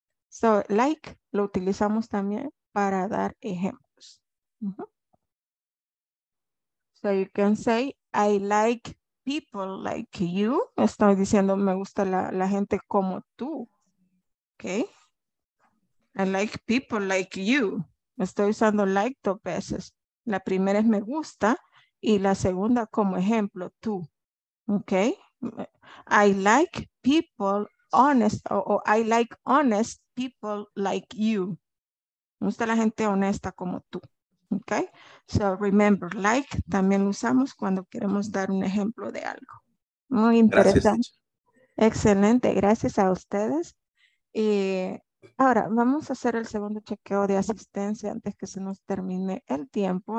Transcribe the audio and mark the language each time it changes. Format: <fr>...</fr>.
<es>So, like, lo utilizamos también para dar ejemplos.</es> <en>So, you can say, I like people like you.</en> <es>Estoy diciendo, me gusta la gente como tú. Okay.</es> <en>I like people like you.</en> <es>Estoy usando like dos veces. La primera es me gusta y la segunda como ejemplo, tú.</es> <en>Okay, I like people honest, or I like honest people like you.</en> <es>Me gusta la gente honesta como tú.</es> <en>Okay, so remember,</en> <es>like también lo usamos cuando queremos dar un ejemplo de algo. Muy interesante. Gracias. Excelente, gracias a ustedes. Y ahora vamos a hacer el segundo chequeo de asistencia antes que se nos termine el tiempo.</es>